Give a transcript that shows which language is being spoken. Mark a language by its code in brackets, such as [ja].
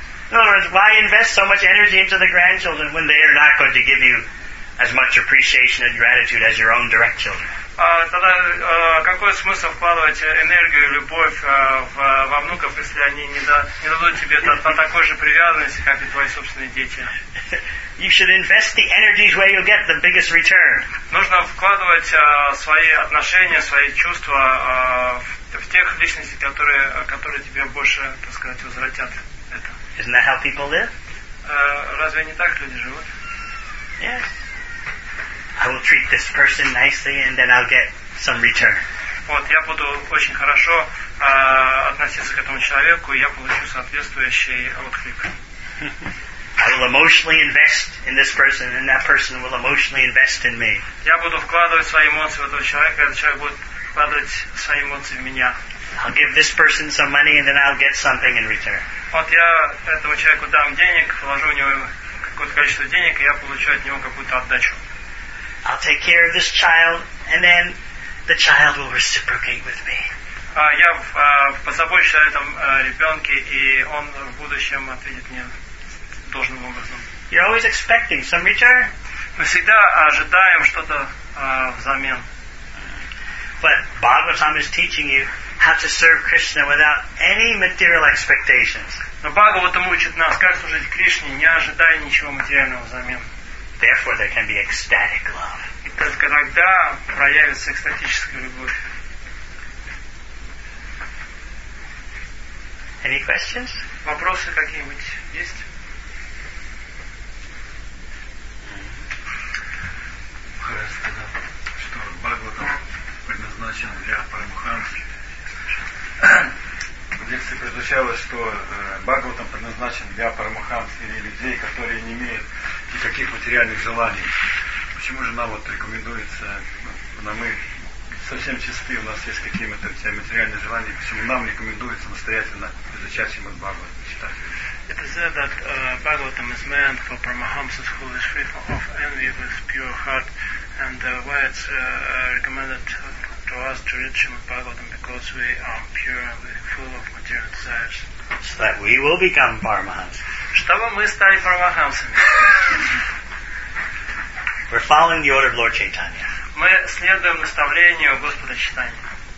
[en] In other words, why invest so much energy into the grandchildren when they are not going to give you as much appreciation and gratitude as your own direct children? [ru] Тогда какой смысл вкладывать энергию и любовь во внуков, если они не дадут тебе такой же привязанности, как и твои собственные дети? [en] You should invest the energies where you'll get the biggest return. [ru] Нужно вкладывать свои отношения, свои чувства в тех личностей, которые тебе больше, так сказать, возвратят это. [en] Isn't that how people live? [ru] Разве не так люди живут? [en] Yes. I will treat this person nicely and then I'll get some return. [ru] Вот, я буду очень хорошо относиться к этому человеку, и я получу соответствующий отклик. [en] I will emotionally invest in this person, and that person will emotionally invest in me. [ru] Я буду вкладывать свои эмоции в этого человека, и этот человек будет вкладывать свои эмоции в меня. [en] I'll give this person some money, and then I'll get something in return. [ru] Вот я этому человеку дам денег, вложу в него какое-то количество денег, и я получу от него какую-то отдачу. [en] I'll take care of this child, and then the child will reciprocate with me. [ru] Я позабочусь о этом ребенке, и он в будущем ответит мне должным образом. [en] You're always expecting some return. [ru] Мы всегда ожидаем что-то взамен. [en] But Bhagavatam is teaching you how to serve Krishna without any material expectations. [ru] Но Бхагаватам учит нас, как служить Кришне, не ожидая ничего материального взамен. [en] Therefore, there can be ecstatic love. [ru] И только тогда проявится экстатическая любовь. [en] Any questions? [ru] Вопросы какие-нибудь есть? Что Бхагаватам предназначен для Парамахансы. В лекции прозвучало, что Бхагаватам предназначен для Парамахансы или людей, которые не имеют никаких материальных желаний. Почему же нам вот рекомендуется, ну, мы совсем чисты, у нас есть какие-то материальные желания, почему нам рекомендуется настоятельно изучать Шримад Бхагаватам, читать? [en] It is said that Bhagavatam is meant for Paramahamsas who is free of envy with pure heart, and why it's recommended to us to read Srimad Bhagavatam because we are pure and full of material desires. So that we will become Paramahamsas. [ru] Чтобы мы стали Парамахамсами. [en] We're following the order of Lord Chaitanya. [ru] Мы следуем наставлению Господа Читания.